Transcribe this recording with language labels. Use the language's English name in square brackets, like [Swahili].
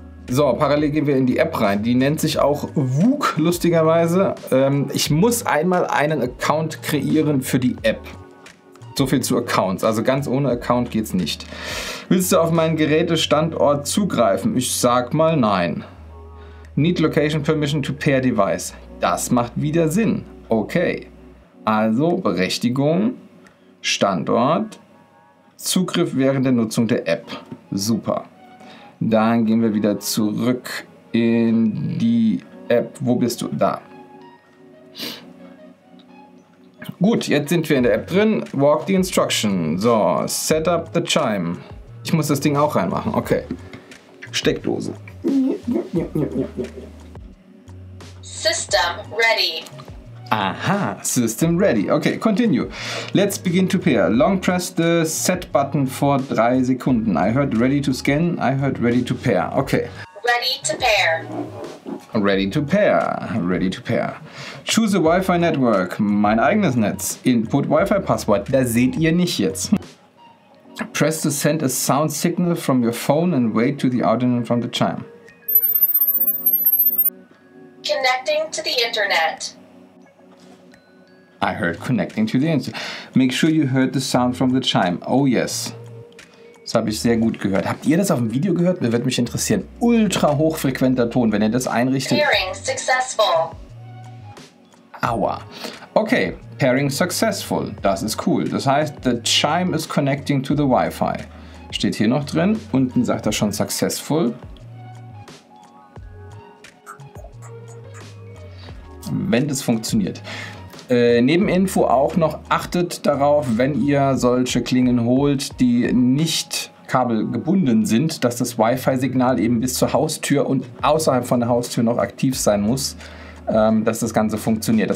[German] So, parallel gehen wir in die App rein. Die nennt sich auch Wook, lustigerweise. Ich muss einmal einen Account kreieren für die App. So viel zu Accounts. Also ganz ohne Account geht's nicht. Willst du auf meinen Gerätestandort zugreifen? Ich sag mal nein. [English] Need location permission to pair device. [German] Das macht wieder Sinn. Okay. Also Berechtigung, Standort, Zugriff während der Nutzung der App. Super. Dann gehen wir wieder zurück in die App. Wo bist du? Da. Gut, jetzt sind wir in der App drin. [English] Walk the instruction. So, set up the chime. [German] Ich muss das Ding auch reinmachen. Okay. Steckdose. [English] System ready. Aha, system ready. Okay, continue. Let's begin to pair. Long press the set button for 3 Sekunden. I heard ready to scan. I heard ready to pair. Okay. Ready to pair. Ready to pair. Ready to pair. Choose a Wi-Fi network. [German] Mein eigenes Netz. [English] Input Wi-Fi [German] Passwort. Das seht ihr nicht jetzt. [English] Press to send a sound signal from your phone and wait to the audio from the chime. Connecting to the internet. I heard connecting to the internet. Make sure you heard the sound from the chime. Oh yes. [German] Das habe ich sehr gut gehört. Habt ihr das auf dem Video gehört? Mir würde mich interessieren. Ultra hochfrequenter Ton, wenn ihr das einrichtet. [English] Pairing successful. Aua. Okay, pairing successful. [German] Das ist cool. Das heißt, [English] the chime is connecting to the Wi-Fi. [German] Steht hier noch drin. Unten sagt er schon successful. Wenn das funktioniert. Neben Info auch noch, achtet darauf, wenn ihr solche Klingeln holt, die nicht kabelgebunden sind, dass das Wi-Fi-Signal eben bis zur Haustür und außerhalb von der Haustür noch aktiv sein muss, dass das Ganze funktioniert.